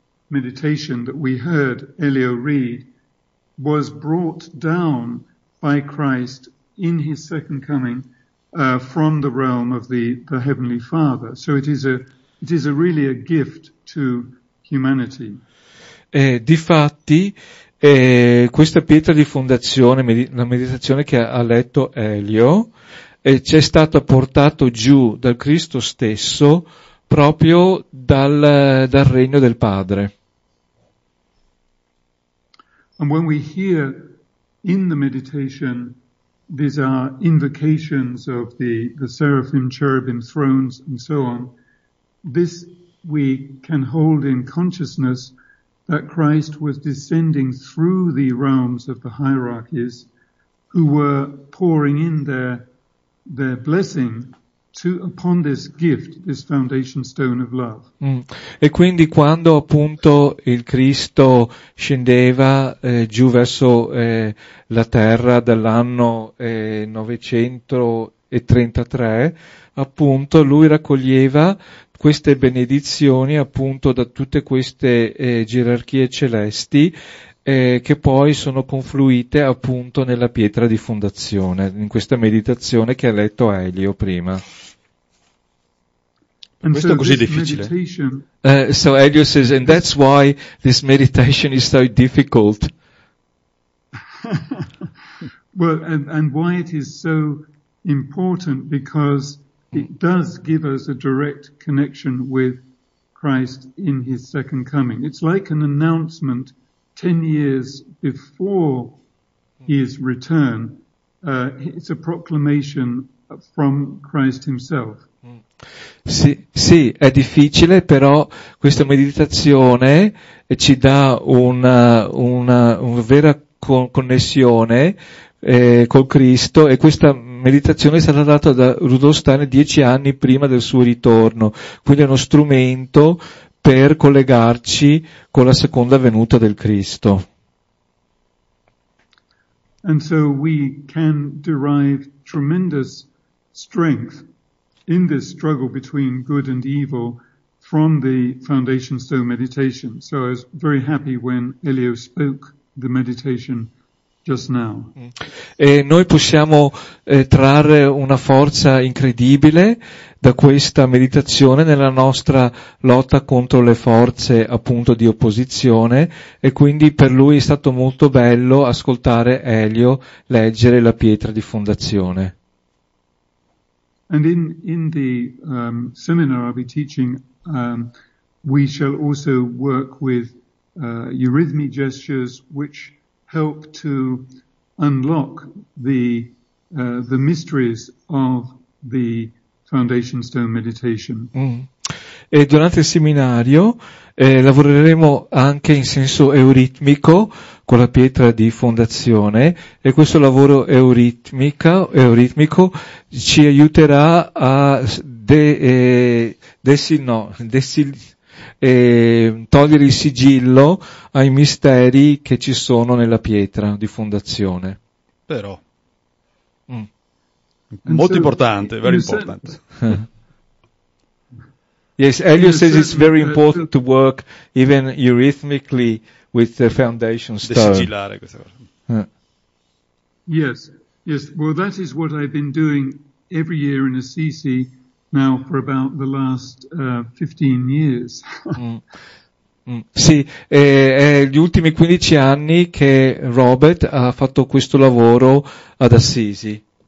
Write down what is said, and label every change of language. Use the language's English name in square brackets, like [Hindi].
[English] meditation that we heard Elio read was brought down by Christ in his second coming from the realm of the Heavenly Father. So it is a really a gift to humanity. [Italian] Difatti, questa pietra di fondazione, la meditazione che ha letto Elio, ci è stato portato giù dal Cristo stesso proprio dal regno del Padre. [English] And when we hear in the meditation these are invocations of the seraphim, cherubim, thrones and so on, this we can hold in consciousness that Christ was descending through the realms of the hierarchies who were pouring in their blessing upon this gift, this foundation stone of love. [Italian] E quindi quando appunto il Cristo scendeva giù verso la terra dall'anno 933, appunto lui raccoglieva queste benedizioni appunto da tutte queste gerarchie celesti che poi sono confluite appunto nella pietra di fondazione, in questa meditazione che ha letto Elio prima. And questo so è così difficile. [English] So Elio says, and that's why this meditation is so difficult. Well, and why it is so important, because it does give us a direct connection with Christ in his second coming. It's like an announcement 10 years before his return. It's a proclamation from Christ himself. [Italian] Sì, è difficile, però questa meditazione ci dà una vera connessione col Cristo, e questa meditazione è stata data da Rudolf Steiner 10 anni prima del suo ritorno, quindi è uno strumento per collegarci con la seconda venuta del Cristo. [English] And so we can derive tremendous strength in this struggle between good and evil from the foundation stone meditation. So I was very happy when Elio spoke the meditation just now. [Italian] E noi possiamo trarre una forza incredibile da questa meditazione nella nostra lotta contro le forze appunto di opposizione, e quindi per lui è stato molto bello ascoltare Elio leggere la pietra di fondazione. [English] And in the seminar I'll be teaching, we shall also work with eurythmy gestures, which help to unlock the mysteries of the foundation stone meditation. [Italian] E durante il seminario lavoreremo anche in senso euritmico con la pietra di fondazione, e questo lavoro euritmico ci aiuterà a togliere il sigillo ai misteri che ci sono nella pietra di fondazione. Però molto importante, [English] very important. Yes, Elio says it's very important to work even eurythmically with the foundation stone. [Italian] Sigillare questa cosa. [English] Yes. Well, that is what I've been doing every year in Assisi now for about the last 15 years. [Italian] Sì, è gli ultimi 15 anni che Robert ha fatto questo lavoro ad Assisi.